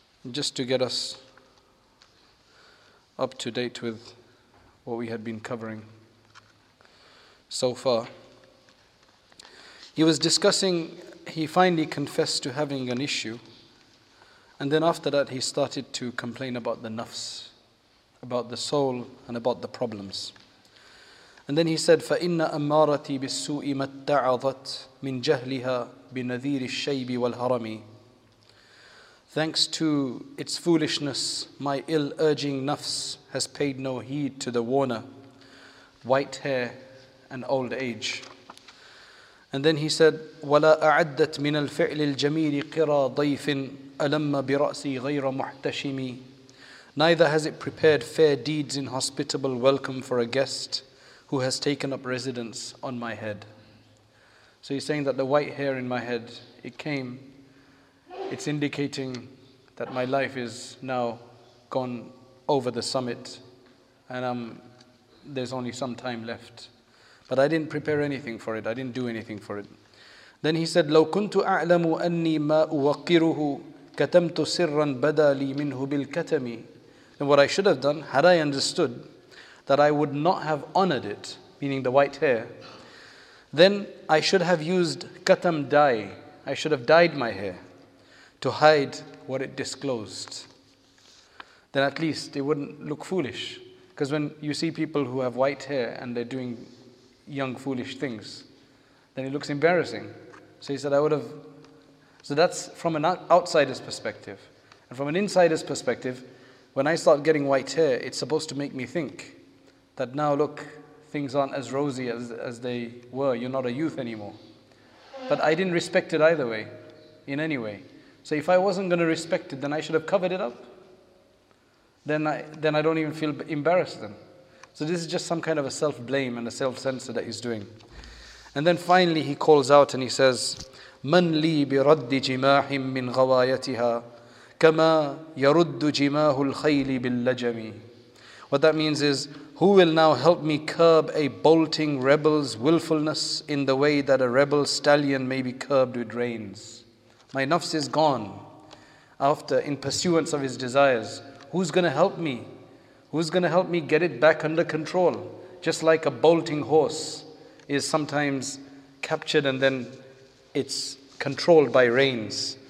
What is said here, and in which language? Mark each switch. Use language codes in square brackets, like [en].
[en] Just to get us up to date with what we had been covering so far. He was discussing, he finally confessed to having an issue, and then after that he started to complain about the nafs, about the soul and about the problems. And then he said, [ar] فَإِنَّ أَمَّارَتِي بِالسُّوءِ مَتَّعَظَتْ مِنْ جَهْلِهَا بِنَذِيرِ الشَّيْبِ وَالْهَرَمِ. [en] Thanks to its foolishness, my ill-urging nafs has paid no heed to the warner, white hair and old age. And then he said, [ar] وَلَا أَعَدَّتْ مِنَ الْفِعْلِ الْجَمِيلِ قِرَى ضَيْفٍ أَلَمَّ بِرَأْسِي غَيْرَ مُحْتَشِمِي. [en] Neither has it prepared fair deeds in hospitable welcome for a guest who has taken up residence on my head. So he's saying that the white hair in my head, it came, it's indicating that my life is now gone over the summit and there's only some time left. But I didn't prepare anything for it. I didn't do anything for it. Then he said, [ar] لَوْ كُنْتُ أَعْلَمُ أَنِّي مَا أُوَقِّرُهُ كَتَمْتُ سِرًّا بَدَى لِي مِنْهُ بِالْكَتَمِ. [en] And what I should have done, had I understood that I would not have honored it, meaning the white hair, then I should have used katam dye. I should have dyed my hair to hide what it disclosed. Then at least it wouldn't look foolish. Because when you see people who have white hair and they're doing young foolish things, then it looks embarrassing. So he said, I would have... So that's from an outsider's perspective. And from an insider's perspective, when I start getting white hair, it's supposed to make me think that now look, things aren't as rosy as they were. You're not a youth anymore. But I didn't respect it either way, in any way. So if I wasn't going to respect it, then I should have covered it up. Then I don't even feel embarrassed then. So this is just some kind of a self-blame and a self-censor that he's doing. And then finally he calls out and he says, [ar] مَنْ لِي بِرَدِّ جِمَاحٍ مِّنْ غَوَايَتِهَا كَمَا يَرُدُّ جِمَاهُ الْخَيْلِ بِالْلَّجَمِ. [en] What that means is, who will now help me curb a bolting rebel's willfulness in the way that a rebel stallion may be curbed with reins? My nafs is gone after in pursuance of his desires. Who's going to help me? Who's going to help me get it back under control? Just like a bolting horse is sometimes captured and then it's controlled by reins.